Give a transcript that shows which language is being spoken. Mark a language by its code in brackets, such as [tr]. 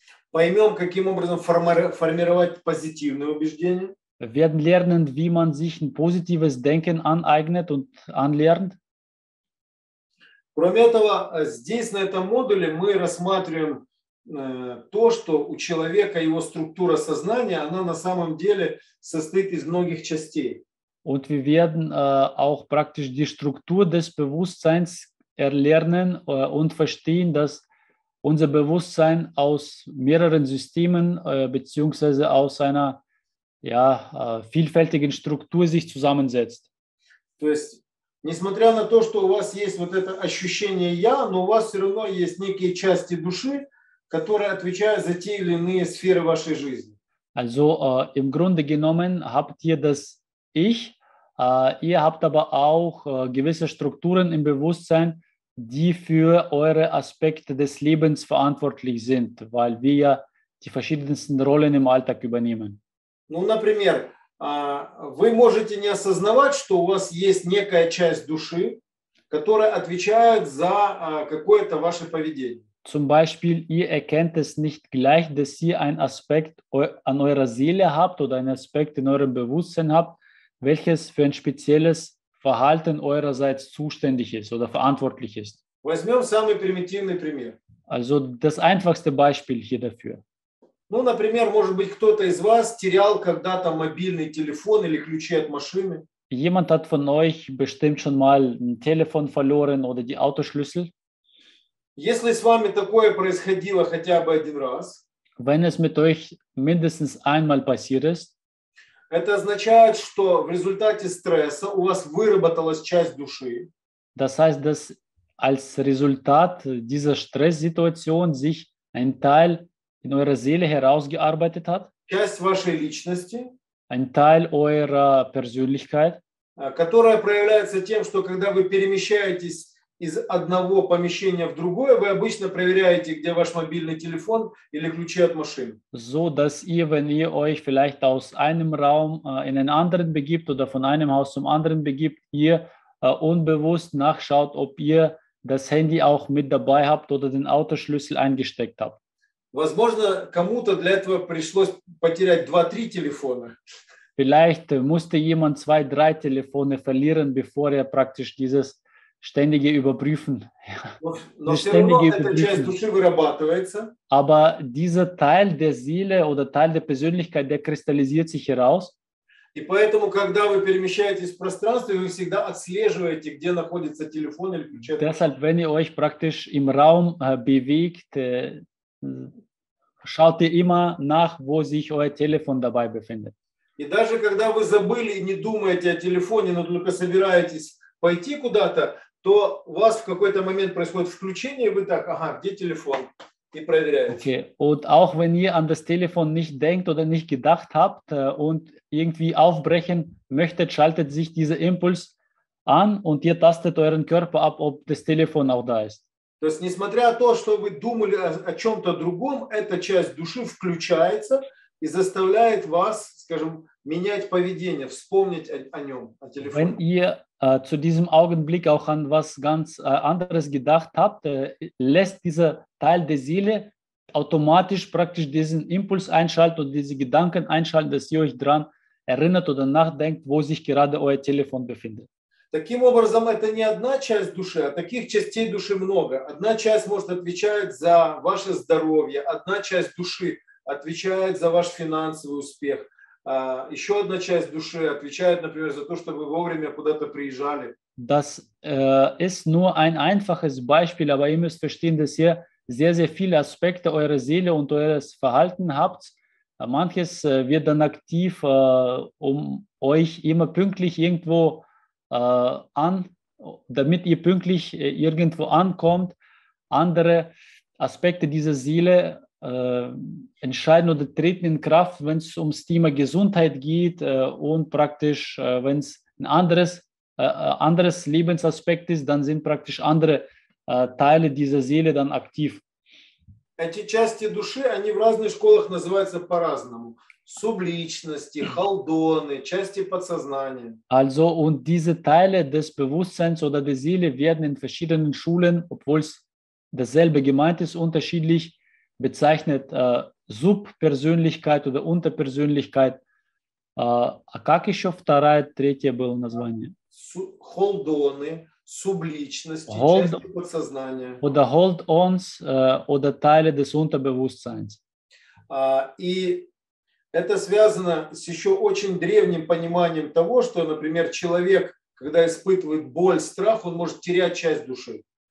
[ru] Поймем, каким образом формировать позитивные убеждения. [de] Wir werden lernen, wie man sich ein positives Denken aneignet und anlernt. [ru] Кроме этого, здесь, на этом модуле, мы рассматриваем то, что у человека его структура сознания, она на самом деле состоит из многих частей. [de] Und wir werden auch praktisch die Struktur des Bewusstseins erlernen und verstehen, dass unser Bewusstsein aus mehreren Systemen beziehungsweise aus einer vielfältigen Struktur sich zusammensetzt. [ru] То есть, несмотря на то, что у вас есть вот это ощущение «я», но у вас все равно есть некие части души, которые отвечают за те или иные сферы вашей жизни. [de] Also, im Grunde genommen habt ihr das «Ich», ihr habt aber auch gewisse Strukturen im Bewusstsein, die für eure Aspekte des Lebens verantwortlich sind, weil wir ja die verschiedensten Rollen im Alltag übernehmen. [ru] Ну, например, вы можете не осознавать, что у вас есть некая часть души, которая отвечает за какое-то ваше поведение. [de] Zum Beispiel, ihr erkennt es nicht gleich, dass ihr einen Aspekt an eurer Seele habt oder einen Aspekt in eurem Bewusstsein habt, welches für ein spezielles Verhalten eurerseits zuständig ist oder verantwortlich ist. [ru] Возьмем самый примитивный пример. [de] Also das einfachste Beispiel hier dafür. [ru] Ну, например, может быть, кто-то из вас терял когда-то мобильный телефон или ключи от машины. [de] Jemand hat von euch bestimmt schon mal ein Telefon verloren oder die Autoschlüssel. [ru] Если с вами такое происходило хотя бы один раз. [de] Wenn es mit euch mindestens einmal passiert ist. [ru] Это означает, что в результате стресса у вас выработалась часть души. [de] Das heißt, dass als Resultat dieser Stresssituation sich ein Teil in eurer Seele herausgearbeitet hat. [ru] Часть вашей личности. [de] Ein Teil eurer Persönlichkeit. [ru] Которая проявляется тем, что когда вы перемещаетесь из одного помещения в другое, вы обычно проверяете, где ваш мобильный телефон или ключи от машины. [de] So, dass ihr, wenn ihr euch vielleicht aus einem Raum in einen anderen begibt oder von einem Haus zum anderen begibt, ihr unbewusst nachschaut, ob ihr das Handy auch mit dabei habt oder den Autoschlüssel eingesteckt habt. [ru] Возможно, кому-то для этого пришлось потерять 2-3 телефона. [de] Vielleicht musste jemand 2-3 Telefone verlieren, bevor er praktisch dieses ständige Überprüfen. Но ständige Überprüfen. Aber dieser Teil der Seele oder Teil der Persönlichkeit, der kristallisiert sich heraus. [ru] И поэтому, когда вы перемещаетесь в пространстве, вы всегда отслеживаете, где находится телефон или ключ. [de] Deshalb, wenn ihr euch praktisch im Raum bewegt, schaut ihr immer nach, wo sich euer Telefon dabei befindet. [ru] И даже когда вы забыли и не думаете о телефоне, но только собираетесь пойти куда-то, то у вас в какой-то момент происходит включение, и вы так, ага, где телефон? И проверяете. Okay. [de] Und auch wenn ihr an das Telefon nicht denkt oder nicht gedacht habt und irgendwie aufbrechen möchtet, schaltet sich dieser Impuls an und ihr tastet euren Körper ab, ob das Telefon auch da ist. [ru] То есть, несмотря на то, что вы думали о чем-то другом, эта часть души включается и заставляет вас, скажем, менять поведение, вспомнить о нем, о телефоне. [de] Wenn ihr zu diesem Augenblick auch an was ganz anderes gedacht habt, lässt dieser Teil der Seele automatisch praktisch diesen Impuls einschalten und diese Gedanken einschalten, dass ihr euch dran erinnert oder nachdenkt, wo sich gerade euer Telefon befindet. [ru] Таким образом, это не одна часть души, а таких частей души много. Одна часть может отвечать за ваше здоровье, одна часть души отвечает за ваш финансовый успех. Еще одна часть души отвечает, например, за то, чтобы вовремя куда-то приезжали. [de] Das ist nur ein einfaches Beispiel, aber ihr müsst verstehen, dass ihr sehr, sehr viele Aspekte eurer Seele und eures Verhalten habt. Manches wird dann aktiv, um euch immer pünktlich irgendwo an, damit ihr pünktlich irgendwo ankommt. Andere Aspekte dieser Seele entscheiden oder treten in Kraft, wenn es ums Thema Gesundheit geht und praktisch, wenn es ein anderes Lebensaspekt ist, dann sind praktisch andere Teile dieser Seele dann aktiv. [ru] Эти части души, они в разных школах называются по-разному. Субличности, халдоны, части подсознания. [de] Also, und diese Teile des Bewusstseins oder der Seele werden in verschiedenen Schulen, obwohl es dasselbe gemeint ist, unterschiedlich bezeichnet, Subpersönlichkeit oder Unterpersönlichkeit. [ru] Как еще вторая, третья было название? Халдоны. Субличности, hold, части подсознания. [de] Oder hold-ons, oder Teile des Unterbewusstseins. [ru] И это связано с еще очень древним пониманием того, что, например, человек, когда испытывает боль, страх, он может терять часть души.